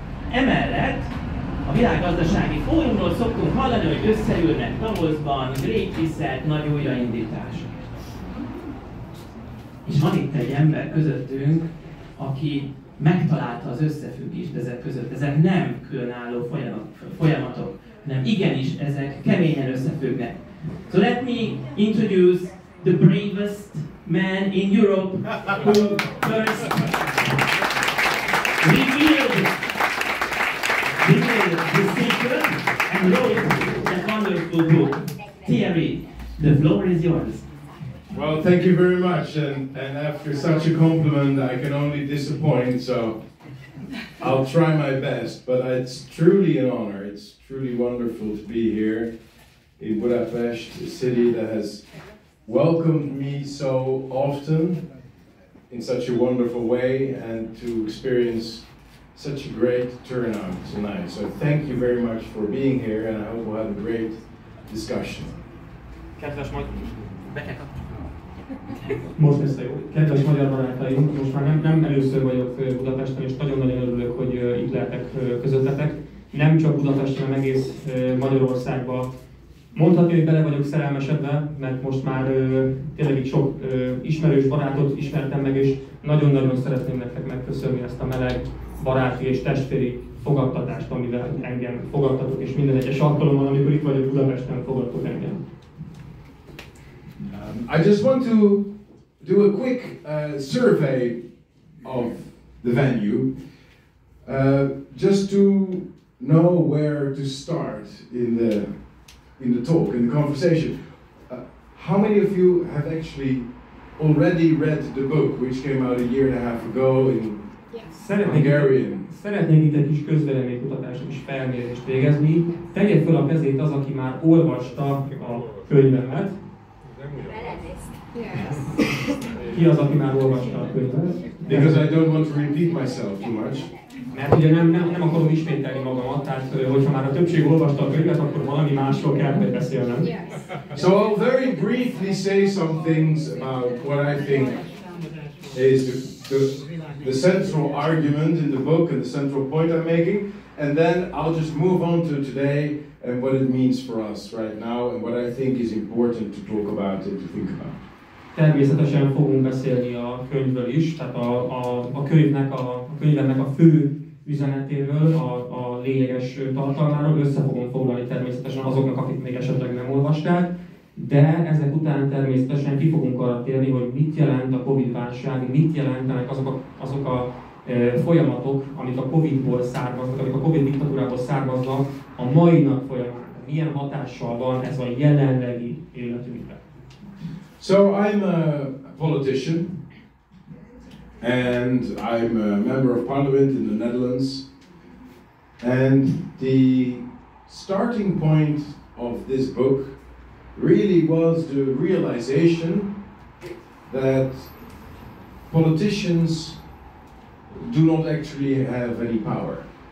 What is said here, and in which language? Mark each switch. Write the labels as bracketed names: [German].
[Hungarian] Emellett a világgazdasági fórumról szoktunk hallani, hogy összeülnek Davosban, Greenpeace-et, nagy újraindítás. És van itt egy ember közöttünk, aki megtalálta az összefüggést ezek között. Ezek nem különálló folyamatok, hanem igenis ezek keményen összefüggnek. [English] So let me introduce the bravest man in Europe who first revealed the secret and wrote that wonderful book. Thierry, the floor is yours. Well, thank you very much, and after such a compliment, I can only disappoint, so I'll try my best, but it's truly an honor, it's truly wonderful to be here in Budapest, a city that has welcomed me so often in such a wonderful way, and to experience such a great turnout tonight. So thank you very much for being here, and I hope we'll have a great discussion. [Hungarian] Most lesz a jó. Kedves magyar barátaim, most már nem először vagyok Budapesten, és nagyon-nagyon örülök, hogy itt lehetek közöttetek. Nem csak Budapesten, hanem egész Magyarországban. Mondhatni, hogy bele vagyok szerelmesedve, mert most már tényleg itt sok ismerős barátot ismertem meg, és nagyon-nagyon szeretném nektek megköszönni ezt a meleg, baráti és testvéri fogadtatást, amivel engem fogadtatok, és minden egyes alkalommal, amikor itt vagyok Budapesten, fogadtok engem. [English] I just want to do a quick survey of the venue, just to know where to start in the talk, in the conversation. How many of you have actually already read the book, which came out a year and a half ago in Hungarian? [Hungarian] Szeretnék itt egy kis közvéleménykutatást és felmérést végezni. Tegye fel a kezét az, aki már olvasta a könyvemet. Ki az, aki már olvasta a könyvet? [English] Because I don't want to repeat myself too much. [Hungarian] Mert ugye nem akarom ismételni magamat, tehát hogyha már a többség olvasta a könyvet, akkor valami másról kell beszélnem. [English] So I'll very briefly say some things about what I think is the central argument in the book and the central point I'm making, and then I'll just move on to today and what it means for us right now and what I think is important to talk about and to think about. [Hungarian] Természetesen fogunk beszélni a könyvről is, tehát a könyvnek, a könyvemnek a fő üzenetéről, a lényeges tartalmáról, össze fogom foglalni természetesen azoknak, akik még esetleg nem olvasták, de ezek után természetesen ki fogunk arra térni, hogy mit jelent a Covid-válság, mit jelentenek azok a folyamatok, amik a Covid-ból származnak, amik a Covid-diktatúrából származnak a mai nap folyamán. Milyen hatással van ez a jelenlegi életünkre? [English] So I'm a politician and I'm a member of parliament in the Netherlands, and the starting point of this book really was the realization that politicians do not actually have any power.